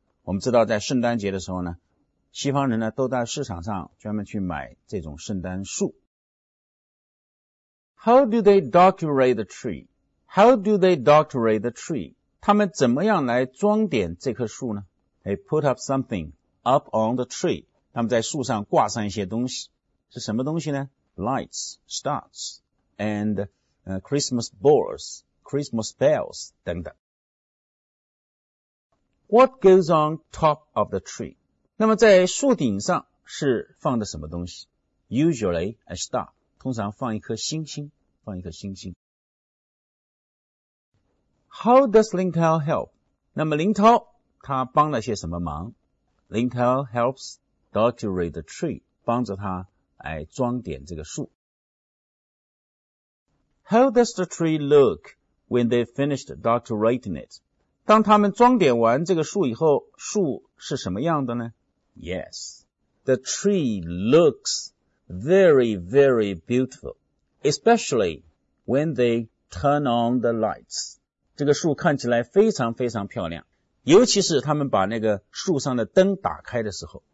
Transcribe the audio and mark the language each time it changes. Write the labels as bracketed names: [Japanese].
[Chinese] 我们知道在圣诞节的时候呢，西方人呢都在市场上专门去买这种圣诞树。 [English] How do they decorate the tree? How do they decorate the tree? [Chinese] 他们怎么样来装点这棵树呢？ [English] They put up something up on the tree. [Chinese] 他们在树上挂上一些东西。是什么东西呢？ [English] Lights, stars, and Christmas bells, Christmas bells, 等等。 What goes on top of the tree? [Chinese] 那么在树顶上是放的什么东西？ [English] Usually a star. [Chinese] 通常放一颗星星，放一颗星星。 [English] How does Ling Tao help? [Chinese] 那么林涛他帮了些什么忙？ [English] Ling Tao helps decorate the tree， [Chinese] 帮着他来装点这个树。 [English] How does the tree look when they finished decorating it? [Chinese] 当他们装点完这个树以后，树是什么样的呢？ [English] Yes, the tree looks. Very, very beautiful, especially when they turn on the lights. [Chinese] 这个树看起来非常非常漂亮，尤其是他们把那个树上的灯打开的时候。